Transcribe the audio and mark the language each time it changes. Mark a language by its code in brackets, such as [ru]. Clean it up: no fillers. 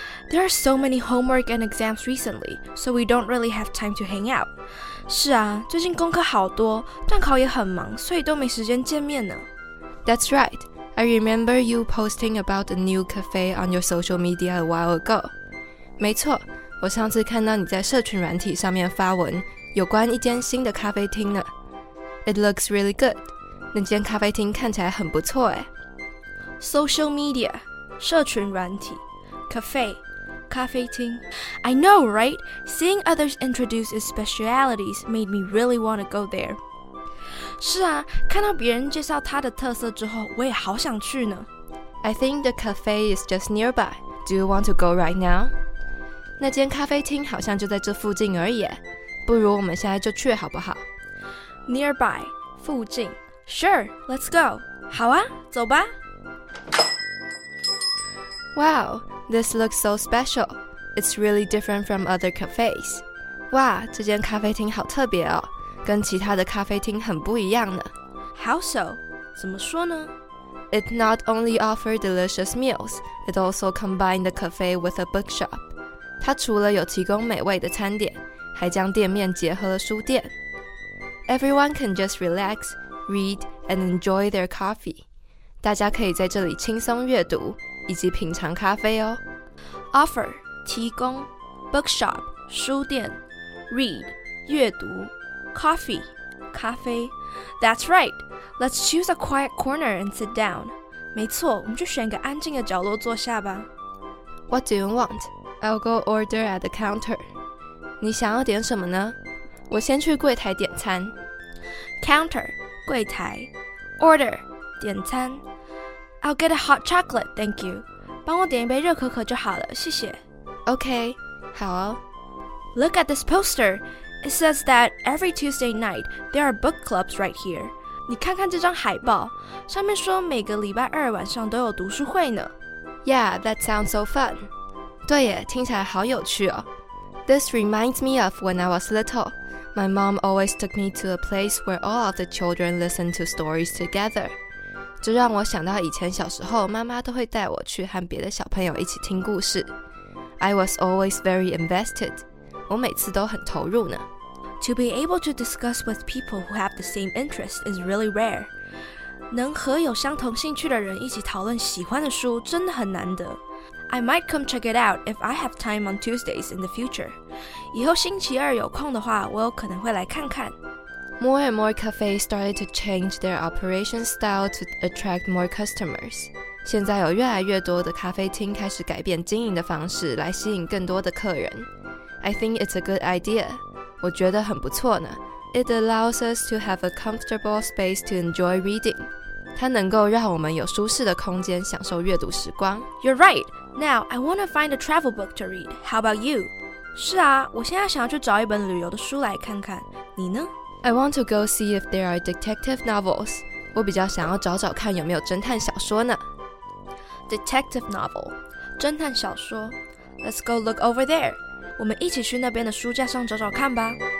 [en] There are so many homework and exams recently, so we don't really have time to hang out. [zh] 是啊，最近功课好多，段考也很忙，所以都没时间见面呢。 [en] That's right. I remember you posting about a new cafe on your social media a while ago. [zh] 没错，我上次看到你在社群软体上面发文，有关一间新的咖啡厅呢。 [en] It looks really good. [zh] 那间咖啡厅看起来很不错耶。 [en] Social media, 社群软体 cafe, 咖啡厅 I know, right? Seeing others introduce its specialities made me really want to go there. [zh] 是啊，看到别人介绍它的特色之后，我也好想去呢。 [en] I think the cafe is just nearby. Do you want to go right now? [zh] 那间咖啡厅好像就在这附近而已，不如我们现在就去好不好？ [en] Nearby, 附近 Sure, let's go. [zh] 好啊，走吧。 [en] Wow, this looks so special. It's really different from other cafes. [zh] 哇，这间咖啡厅好特别哦，跟其他的咖啡厅很不一样呢。 [en] How so? [zh] 怎么说呢？ [en] It not only offers delicious meals, it also combines the cafe with a bookshop. [zh] 它除了有提供美味的餐点，还将店面结合了书店。 [en] Everyone can just relax, read, and enjoy their coffee. [zh] 大家可以在这里轻松阅读。以及品尝咖啡哦。Offer 提供 ，bookshop 书店 ，read 阅读 ，coffee 咖啡。 [en] That's right. Let's choose a quiet corner and sit down. [zh] 没错，我们就选个安静的角落坐下吧。 [en] What do you want? I'll go order at the counter. [zh] 你想要点什么呢？我先去柜台点餐。 Counter 柜台 ，order 点餐。 [en] I'll get a hot chocolate, thank you. [zh] 帮我点一杯热可可就好了，谢谢。 [en] Okay, [zh] 好哦。 [en] Look at this poster. It says that every Tuesday night, there are book clubs right here. [zh] 你看看这张海报，上面说每个礼拜二晚上都有读书会呢。 [en] Yeah, that sounds so fun. [zh] 对耶，听起来好有趣哦。 [en] This reminds me of when I was little. My mom always took me to a place where all of the children listened to stories together. [zh] 这让我想到以前小时候，妈妈都会带我去和别的小朋友一起听故事。 [en] I was always very invested. [zh] 我每次都很投入呢。 [en] To be able to discuss with people who have the same interest is really rare. [zh] 能和有相同兴趣的人一起讨论喜欢的书真的很难得。 [en] I might come check it out if I have time on Tuesdays in the future. [zh] 以后星期二有空的话，我有可能会来看看。 [en] More and more cafes started to change their operation style to attract more customers. [zh] 现在有越来越多的咖啡厅开始改变经营的方式来吸引更多的客人。 [en] I think it's a good idea. [zh] 我觉得很不错呢。 [en] It allows us to have a comfortable space to enjoy reading. [zh] 它能够让我们有舒适的空间享受阅读时光。 [en] You're right. Now, I want to find a travel book to read. How about you? [zh] 是啊，我现在想要去找一本旅游的书来看看。你呢？ [en] I want to go see if there are detective novels. [zh] 我比较想要找找看有没有侦探小说呢。 [en] Detective novel, 侦探小说。Let's go look over there. [zh] 我们一起去那边的书架上找找看吧。